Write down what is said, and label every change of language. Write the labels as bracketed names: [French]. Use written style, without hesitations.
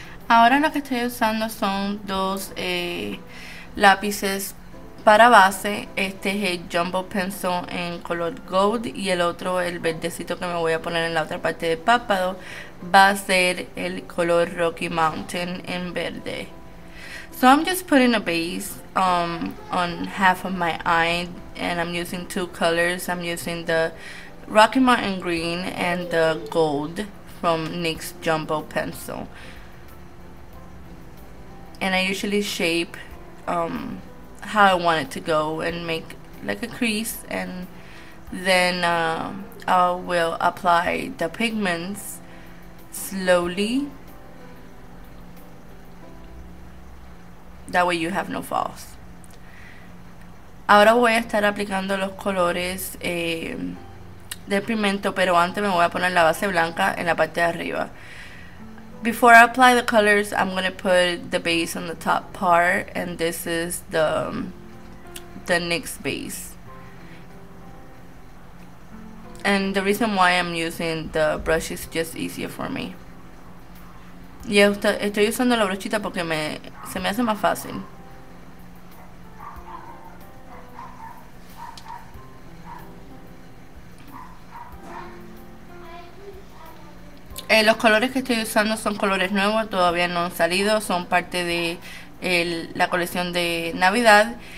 [Spanish] ahora lo que estoy usando son dos lápices para base. Este es el Jumbo Pencil en color gold y el otro, el verdecito que me voy a poner en la otra parte del párpado, va a ser el color Rocky Mountain en verde. [English] So I'm just putting a base on half of my eye and I'm using two colors. I'm using the Rocky Mountain Green and the gold from NYX Jumbo Pencil. And I usually shape how I want it to go and make like a crease, and then I will apply the pigments slowly. That way you have no falls. [Spanish] Ahora voy a estar aplicando los colores del pigmento, pero antes me voy a poner la base blanca en la parte de arriba. [English] Before I apply the colors, I'm gonna put the base on the top part, and this is the NYX base. And the reason why I'm using the brush is just easier for me. [Spanish] Y estoy usando la brochita porque se me hace más fácil. Los colores que estoy usando son colores nuevos, todavía no han salido, son parte de la colección de Navidad.